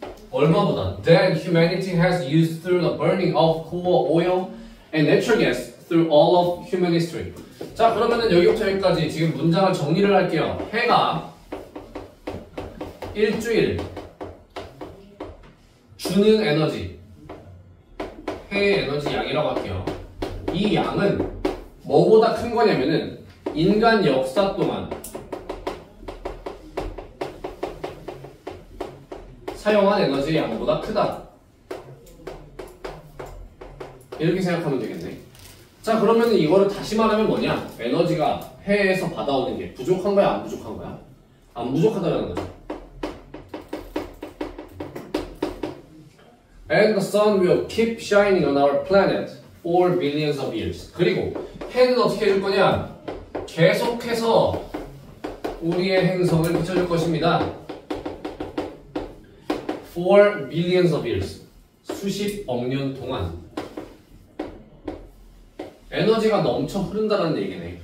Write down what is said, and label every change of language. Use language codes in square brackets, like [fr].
[ko] 얼마보다 [en] than humanity has used through the burning of coal, oil, and natural gas through all of human history. [ko] 자, 그러면은 여기부터 여기까지 지금 문장을 정리를 할게요. 해가 일주일 주는 에너지, 해의 에너지 양이라고 할게요. 이 양은 뭐보다 큰 거냐면은 인간 역사 동안 사용한 에너지의 양보다 크다. 이렇게 생각하면 되겠네. 자, 그러면 이거를 다시 말하면 뭐냐? 에너지가 해에서 받아오는 게 부족한 거야, 안 부족한 거야? 안 부족하다는 거죠. [en] And the sun will keep shining on our planet for millions of years. [ko] 그리고 해는 어떻게 해줄 거냐? 계속해서 우리의 행성을 비춰줄 것입니다. [en] For millions of years. [ko] 수십억 년 동안 에너지가 넘쳐 흐른다는 얘기네.